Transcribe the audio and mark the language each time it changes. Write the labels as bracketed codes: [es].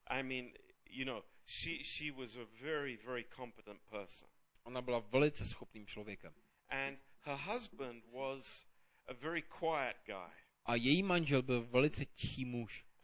[en] I mean, you know, she was a very, very competent person. [cs] Ona byla velice schopným člověkem. [en] And her husband was a very quiet guy. [cs] A její manžel byl velice tichý muž.